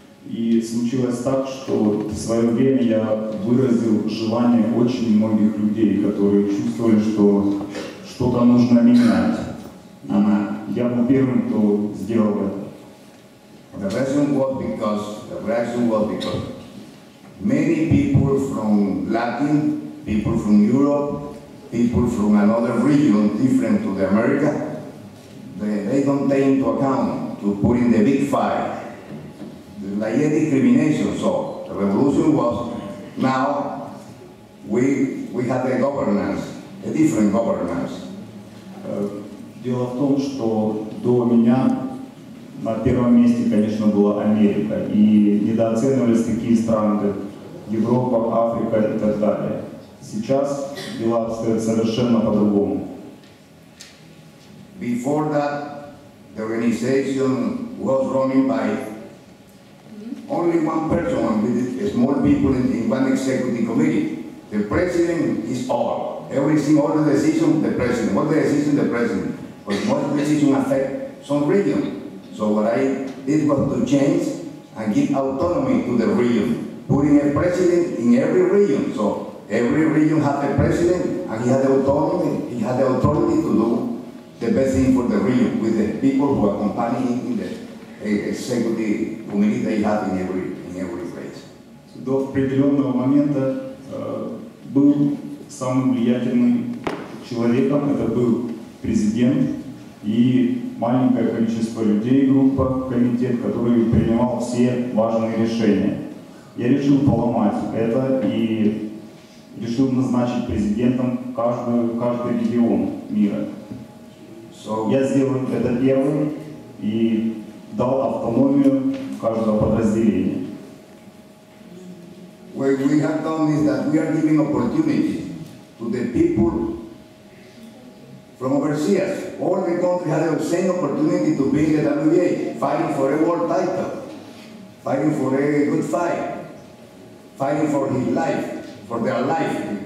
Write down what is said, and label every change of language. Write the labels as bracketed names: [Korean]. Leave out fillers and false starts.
[Russian] И случилось так, что в свое время я выразил желание очень многих людей, которые чувствовали, что что-то нужно менять. Я был первым, кто сделал это. [English] The reason was because many people from Latin, people from Europe, people from another region different to the America, they don't take into account to put in the big fire. Like a discrimination, so the revolution was now we have a governance, a different governance. [Russian] Дело в том, что до меня на первом месте, конечно, была Америка, и недооценивались такие страны, как Европа, Африка и так далее. Сейчас дела обстоят совершенно по-другому. [English] Before that, the organization was running by only one person, with small people in one executive committee. The president is all. Everything, all the decisions, the president. What the decision, the president. But what decision affect some region. So what I did was to change and give autonomy to the region, putting a president in every region. So every region has a president and he had the autonomy. He had the authority to do the best thing for the region with the people who accompany him in the executive committee they have in every place. [Russian] So до определенного момента был самым влиятельным человеком, это был президент и маленькое количество людей, группа, комитет, который принимал все важные решения. Я решил поломать это и решил назначить президентом каждый регион мира. So, я сделал это первым и дал автономию каждого подразделения. [English] What we have done is that we are giving opportunity to the people from overseas. All the countries have the same opportunity to be in the WBA, fighting for a world title, fighting for a good fight, fighting for his life, for their life.